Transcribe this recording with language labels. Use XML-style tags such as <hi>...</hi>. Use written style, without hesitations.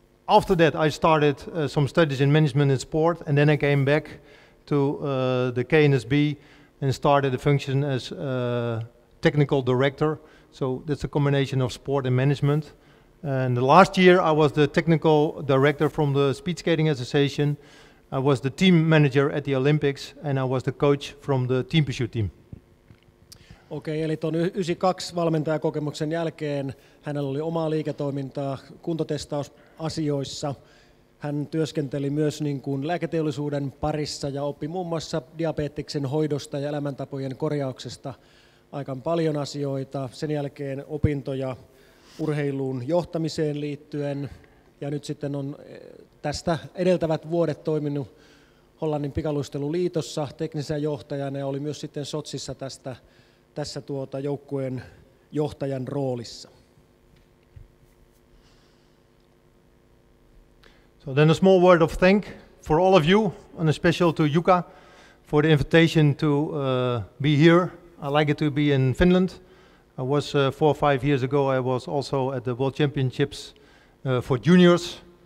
<en>After that, I started some studies in management and sport, and then I came back to the KNSB and started a function as a technical director. So that's a combination of sport and management. And the last year, I was the technical director from the Speed Skating Association. I was the team manager at the Olympics, and I was the coach from the team pursuit team.</en> <fi>Okei, eli tuon 92 valmentajakokemuksen jälkeen hänellä oli omaa liiketoimintaa kuntotestausasioissa. Hän työskenteli myös niin kuin lääketeollisuuden parissa ja oppi muun muassa diabeteksen hoidosta ja elämäntapojen korjauksesta aika paljon asioita. Sen jälkeen opintoja urheiluun johtamiseen liittyen. Ja nyt sitten on tästä edeltävät vuodet toiminut Hollannin pikaluisteluliitossa teknisenä johtajana ja oli myös sitten Sotsissa tässä joukkueen johtajan roolissa.</fi> <en>So then a small word of thank for all of you, and a special to Jukka for the invitation to be here. I like it to be in Finland. I was 4 or 5 years ago, I was also at the World Championships for juniors.</en>